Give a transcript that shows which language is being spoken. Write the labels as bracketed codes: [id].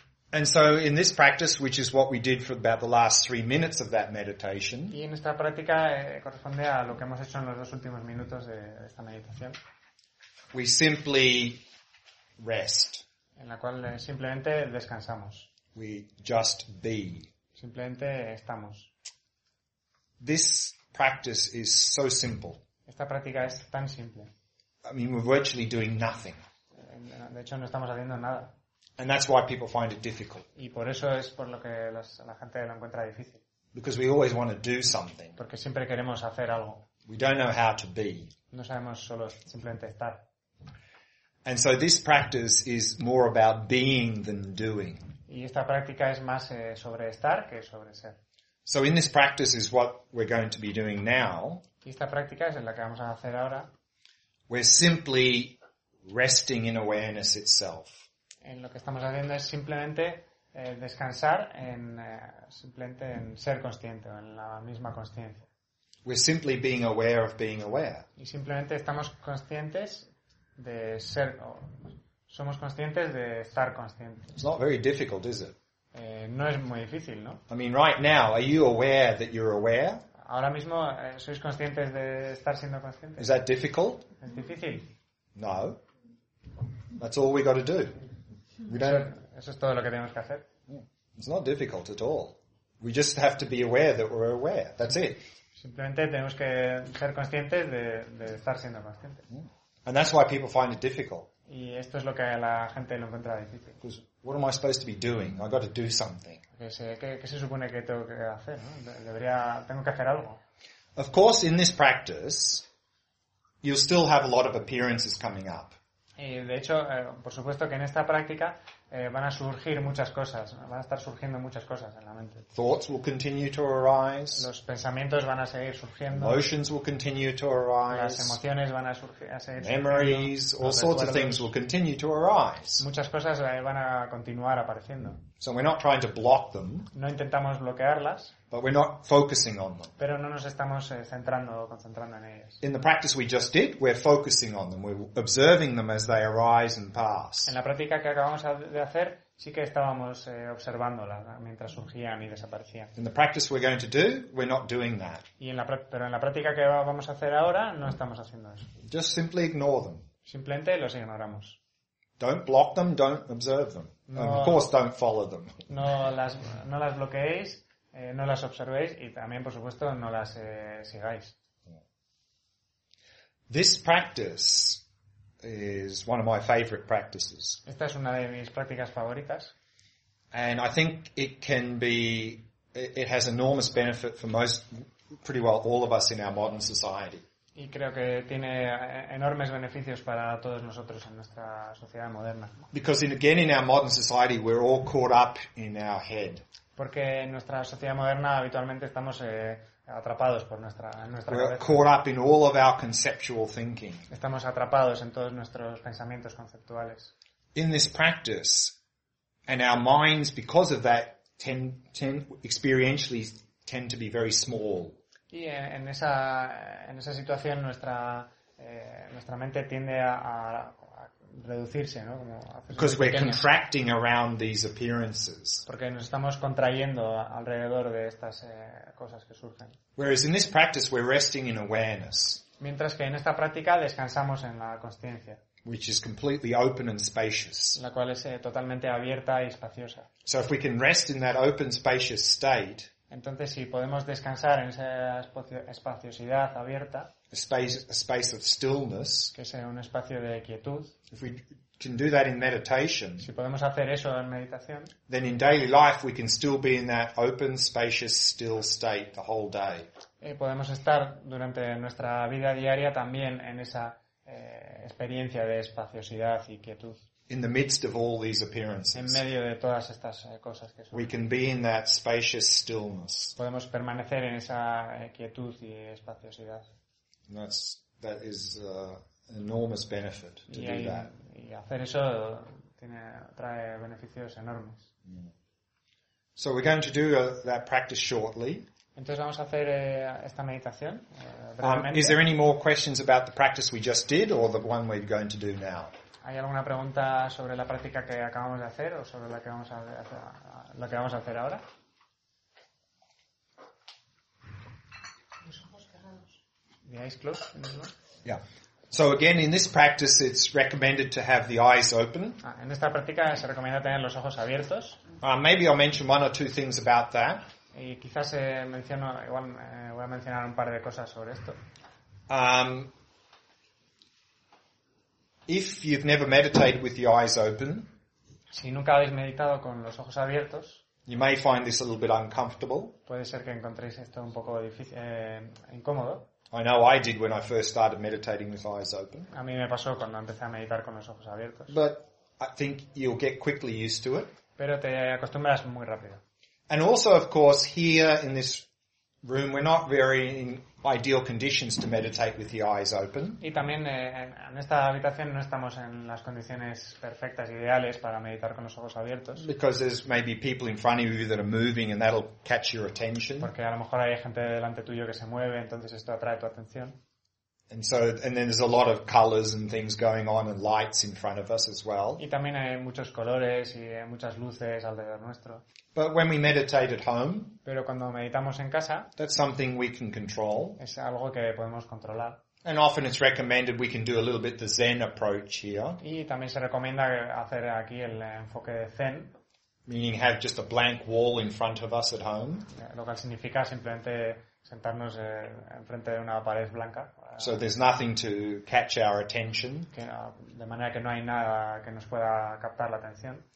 [en] And so in this practice, which is what we did for about the last 3 minutes of that meditation, [es] y en esta práctica corresponde a lo que hemos hecho en los dos últimos minutos de esta meditación, [en] we simply rest. [es] En la cual simplemente descansamos. [en] We just be. [es] Simplemente estamos. [en] This practice is so simple. [es] Esta práctica es tan simple. [en] I mean, we're virtually doing nothing. [es] De hecho, no estamos haciendo nada. [en] And that's why people find it difficult. [es] Y por eso es por lo que la gente lo encuentra difícil. [en] Because we always want to do something. [es] Porque siempre queremos hacer algo. [en] We don't know how to be. [es] No sabemos solo simplemente estar. [en] And so this practice is more about being than doing. [es] Y esta práctica es más sobre estar que sobre ser. [en] So in this practice is what we're going to be doing now. [es] Y esta práctica es en la que vamos a hacer ahora. [en] We're simply resting in awareness itself. [es] En lo que estamos haciendo es simplemente descansar en simplemente en ser consciente, en la misma consciencia. [en] We're simply being aware of being aware. [es] Y simplemente estamos conscientes de ser, somos conscientes de estar conscientes. [en] It's not very difficult, is it? [es] No es muy difícil, ¿no? [en] I mean, right now, are you aware that you're aware? [es] Ahora mismo, ¿sois conscientes de estar siendo conscientes? [en] Is that difficult? [es] ¿Es difícil? [en] No. That's all we got to do. [es] Eso es todo lo que tenemos que hacer. [en] It's not difficult at all. We just have to be aware that we're aware. That's it. [es] Simplemente tenemos que ser conscientes de estar siendo conscientes. [en] And that's why people find it difficult. [es] Y esto es lo que la gente lo encuentra difícil. [en] Because what am I supposed to be doing? I've got to do something. [es] ¿Qué se supone que tengo que hacer, ¿no? Tengo que hacer algo. [en] Of course, in this practice, you'll still have a lot of appearances coming up. [es] Y de hecho, por supuesto que en esta práctica van a surgir muchas cosas, van a estar surgiendo muchas cosas en la mente. [en] Thoughts will continue to arise. [es] Los pensamientos van a seguir surgiendo. [en] Emotions will continue to arise. [es] Las emociones van a surgir, a seguir surgiendo. [en] Memories, all sorts of things will continue to arise. [es] Muchas cosas van a continuar apareciendo. [en] So we're not trying to block them. [es] No intentamos bloquearlas. [en] But we're not focusing on them. [es] Pero no nos estamos centrando o concentrando en ellas. [en] In the practice we just did, we're focusing on them. We're observing them as they arise and pass. [es] En la práctica que acabamos de hacer, sí que estábamos observándolas mientras surgían y desaparecían. [en] In the practice we're going to do, we're not doing that. [es] Pero en la práctica que vamos a hacer ahora, no estamos haciendo eso. [en] Just simply ignore them. [es] Simplemente los ignoramos. [en] Don't block them, don't observe them. [es] No, [en] and of course don't follow them. [es] No las bloqueéis. No las observéis y también, por supuesto, no las sigáis. [en] This practice is one of my favorite practices. [es] Esta es una de mis prácticas favoritas. [en] And I think it has enormous benefit for most, pretty well all of us in our modern society. [es] y creo que tiene enormes beneficios para todos nosotros en nuestra sociedad moderna. [en] Because in our modern society we're all caught up in our head. [es] Porque en nuestra sociedad moderna habitualmente estamos atrapados por nuestra [en] we're [es] cabeza. [en] Caught up in all of our conceptual thinking. [es] Estamos atrapados en todos nuestros pensamientos conceptuales. [en] In this practice, and our minds, because of that, experientially tend to be very small. [es] Y en esa situación nuestra mente tiende a reducirse, ¿no? hacerse pequeño. [en] Because we're contracting around these appearances. [es] Porque nos estamos contrayendo alrededor de estas cosas que surgen. [en] Whereas in this practice we're resting in awareness. [es] Mientras que en esta práctica descansamos en la consciencia. [en] Which is completely open and spacious. [es] La cual es totalmente abierta y espaciosa. [en] So if we can rest in that open, spacious state. [es] Entonces, si podemos descansar en esa espaciosidad abierta, [en] a space of stillness, [es] que es un espacio de quietud, [en] if we can do that in meditation, [es] si podemos hacer eso en meditación, [en] then in daily life we can still be in that open, spacious, still state the whole day. [es] Podemos estar durante nuestra vida diaria también en esa experiencia de espaciosidad y quietud. [en] In the midst of all these appearances, [es] en medio de todas estas cosas que son, [en] we can be in that spacious stillness. [es] Podemos permanecer en esa quietud y espaciosidad. [en] And that is an enormous benefit to [es] y [en] do [es] hay, [en] that. [es] Y hacer eso trae beneficios enormes. [en] So we're going to do that practice shortly. [es] Entonces vamos a hacer esta meditación brevemente. [en] Is there any more questions about the practice we just did or the one we're going to do now? [es] ¿Hay alguna pregunta sobre la práctica que acabamos de hacer o sobre lo que vamos a hacer ahora? Los ojos cerrados. [en] Yeah. So again, in this practice, it's recommended to have the eyes open. [es] En esta práctica se recomienda tener los ojos abiertos. [en] Maybe I'll mention one or two things about that. [es] Y quizás voy a mencionar un par de cosas sobre esto. [en] If you've never meditated with your eyes open, [es] si nunca habéis meditado con los ojos abiertos, [en] you may find this a little bit uncomfortable. [es] Puede ser que encontréis esto un poco difícil, incómodo. [en] I know I did when I first started meditating with eyes open. [es] A mí me pasó cuando empecé a meditar con los ojos abiertos. [en] But I think you'll get quickly used to it. [es] Pero te acostumbras muy rápido. [en] And also, of course, here in this room, we're not very in ideal conditions to meditate with the eyes open. [es] Y también en esta habitación no estamos en las condiciones perfectas ideales para meditar con los ojos abiertos. [en] Because there's maybe people in front of you that are moving and that'll catch your attention. [es] Porque a lo mejor hay gente delante tuyo que se mueve, entonces esto atrae tu atención. [en] And so, and then there's a lot of colors and things going on and lights in front of us as well. [es] Y también hay muchos colores y muchas luces alrededor nuestro. [en] But when we meditate at home, [es] pero cuando meditamos en casa, [en] that's something we can control. [es] Es algo que podemos controlar. [en] And often it's recommended we can do a little bit the Zen approach here. [es] Y también se recomienda hacer aquí el enfoque de Zen. [en] Meaning have just a blank wall in front of us at home. [es] Lo cual significa simplemente sentarnos en frente de una pared blanca. [en] So there's nothing to catch our attention. [es] De manera que no hay nada que nos pueda captar la atención.